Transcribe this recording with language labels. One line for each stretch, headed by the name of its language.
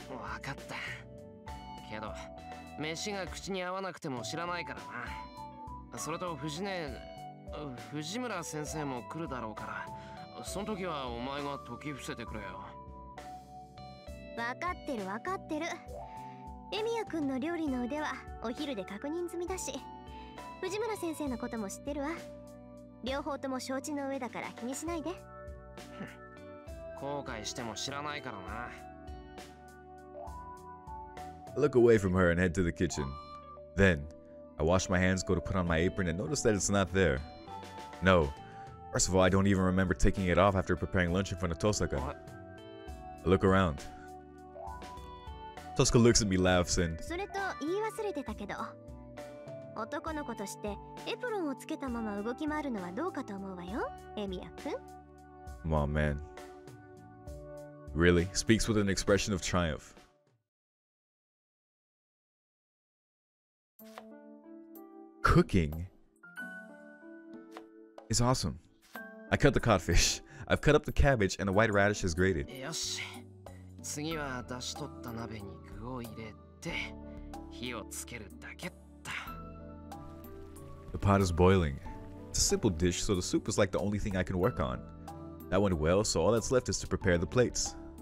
English: I understand. But I don't know if Fujimura-sensei will come, so
Japanese: その時はお前が解き伏せてくれよ。分かってる分かってる。エミヤ君の料理の腕はお昼で確認済みだし、藤村先生のことも知ってるわ。両方とも承知の上だから気にしないで。後悔しても知らないからな。
English: I look away from her and head to the kitchen. Then, I wash my hands, go to put on my apron, and notice that it's not there. No. First of all, I don't even remember taking it off after preparing lunch in front of Tosaka. I look around. Tosaka looks at me, laughs, and...
Japanese: それと言い忘れてたけど、男の子としてエプロンをつけたまま動き回るのはどうかと思うわよ、エミヤ君。
English: Come on, man. Really? Speaks with an expression of triumph. Cooking is awesome. I cut the codfish. I've cut up the cabbage and the white radish is grated. Yes.
Japanese: 次は出し取った鍋に具を入れて火をつけるだけだ。
English: The pot is boiling. It's a simple dish, so the soup is like the only thing I can work on. That went well, so all that's left is to prepare the plates.